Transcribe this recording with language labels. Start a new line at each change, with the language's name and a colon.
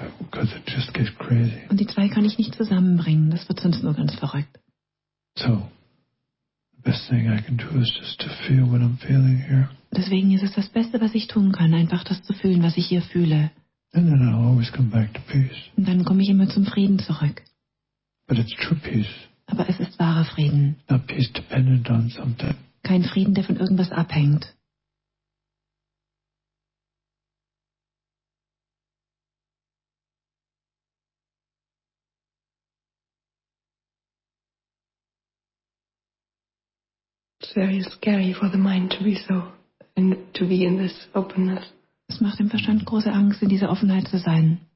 German: Und die zwei kann ich nicht zusammenbringen, das wird sonst nur ganz verrückt. Deswegen ist es das Beste, was ich tun kann, einfach das zu fühlen, was ich hier fühle.
English: And then I'll always come back to peace.
German: Und dann komme ich immer zum Frieden zurück.
English: But it's true peace.
German: Aber es ist wahrer Frieden.
English: Not peace dependent on something.
German: Kein Frieden, der von irgendwas abhängt.
English: It's very scary for the mind to be so and to be in this openness.
German: Es macht dem Verstand große Angst, in dieser Offenheit zu sein.